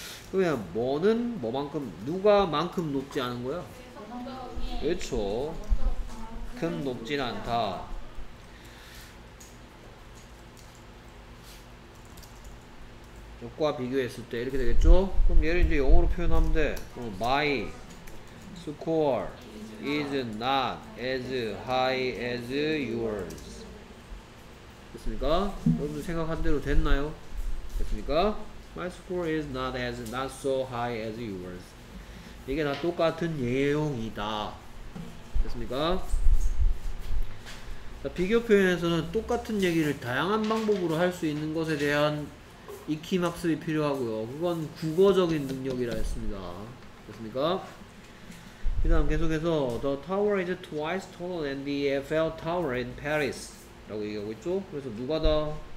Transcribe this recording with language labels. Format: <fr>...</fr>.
<ko>그러면 뭐는 뭐만큼, 누가 만큼 높지 않은 거야? 그렇죠. 큰 높진 않다. 역과 비교했을 때 이렇게 되겠죠? 그럼 얘를 이제 영어로 표현하면 돼. 그럼</ko> <en>my score is not as high as yours.</en> <ko>됐습니까? 여러분들 생각한 대로 됐나요? 됐습니까?</ko> <en>My score is not as not so high as yours.</en> <ko>이게 다 똑같은 내용이다. 됐습니까? 자, 비교 표현에서는 똑같은 얘기를 다양한 방법으로 할 수 있는 것에 대한 익힘 학습이 필요하고요. 그건 국어적인 능력이라 했습니다. 됐습니까? 그 다음 계속해서</ko> <en>The tower is twice taller than the Eiffel Tower in Paris</en> <ko>라고 얘기하고 있죠? 그래서 누가 더?</ko>